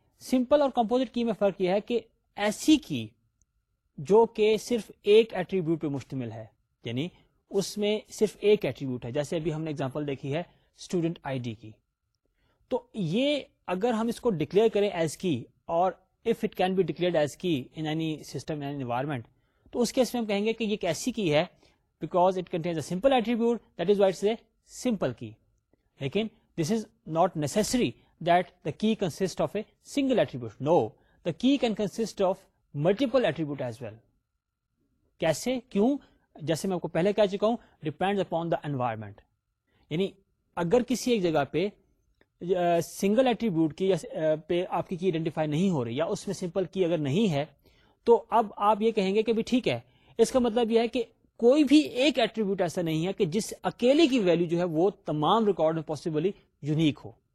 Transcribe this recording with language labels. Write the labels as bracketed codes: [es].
[ur] Simple اور composite key میں فرق یہ ہے کہ ایسی کی جو کہ صرف ایک ایٹریبیوٹ پہ مشتمل ہے, یعنی اس میں صرف ایک ایٹریبیوٹ ہے, جیسے ابھی ہم نے ایگزامپل دیکھی ہے اسٹوڈنٹ آئی ڈی کی, تو یہ اگر ہم اس کو ڈکلیئر کریں ایز کی, [en] اور if it can be declared as key in any system in environment, [ur] تو اس کیس میں ہم کہیں گے کہ یہ کیسی کی ہے, [en] Because it contains a simple attribute, that is why it's a simple key. لیکن this is not necessary that the key consist of a single attribute. No, the key can consist of multiple attribute as well. [ur] کیسے, کیوں, جیسے میں آپ کو پہلے کہہ چکا ہوں, [en] Depend upon the environment. [ur] یعنی اگر کسی ایک جگہ پہ سنگل ایٹریبیوٹ کی پہ آپ کی آئیڈینٹیفائی نہیں ہو رہی, یا اس میں سمپل کی اگر نہیں ہے, تو اب آپ یہ کہیں گے کہ بھی ٹھیک ہے, اس کا مطلب یہ ہے کہ کوئی بھی ایک ایٹریبیوٹ ایسا نہیں ہے کہ جس اکیلے کی ویلیو جو ہے وہ تمام ریکارڈ میں پوسیبلی یونیک ہو.